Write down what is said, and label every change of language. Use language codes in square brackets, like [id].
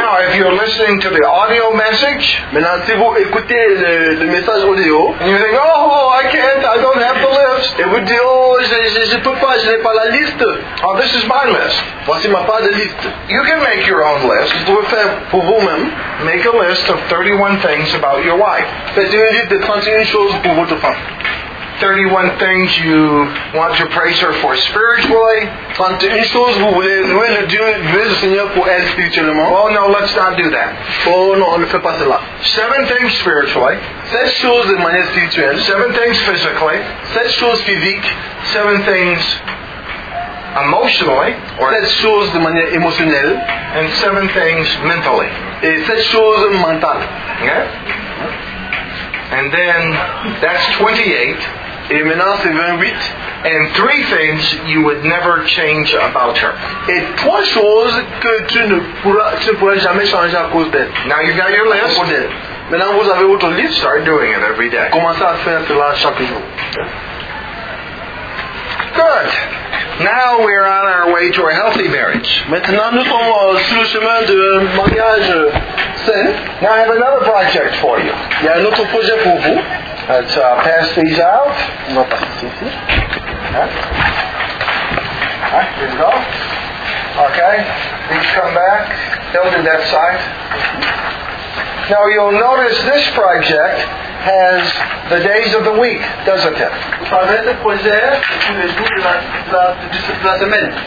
[en] Now, if you're listening to the audio message, [fr] maintenant si vous écoutez le message audio, [en] and you think, oh, I can't, I don't have the list. [fr] Et vous dites, oh, je peux pas, je n'ai pas la liste. [en] Oh, this is my list. [fr] Voici ma part de liste. [en] You can make your own list. [fr] Vous pouvez faire pour vous-même. [en] Make a list of 31 things about your wife. [fr] Faites une liste de 31 choses pour votre femme. [en] 31 things you want to praise her for spiritually. [fr] 31 choses vous voulez louer le Dieu, louer le Seigneur pour elle spirituellement. [en] Oh no, let's not do that. [fr] Oh non, on ne fait pas cela. [en] 7 things spiritually. [fr] 7 choses de manière spirituelle. [en] 7 things physically. [fr] 7 choses physiques. [en] 7 things emotionally. [fr] 7 choses de manière émotionnelle. [en] And 7 things mentally. [fr] Et 7 choses mentales. [en] Okay? And then that's 28. [fr] Et maintenant c'est 28. [en] And 3 things you would never change about her. [fr] Et 3 choses que tu ne pourras jamais changer à cause d'elle. [en] Now you got your list. [fr] Maintenant vous avez votre liste. [en] Start doing it every day. [fr] Commencez à faire cela chaque jour. [en] Good. Now we are on our way to a healthy marriage. [fr] Maintenant nous sommes sur le chemin de mariage. [en] Now I have another project for you. [fr] Il y a un autre projet pour vous. [en] Let's pass these out. [fr] On va passer ici. Okay. [en] Here we go. Okay. These come back. They'll do that side. Now you'll notice this project has the days of the week, doesn't it? [fr] Vous savez, ce projet, c'est tous les jours de la semaine.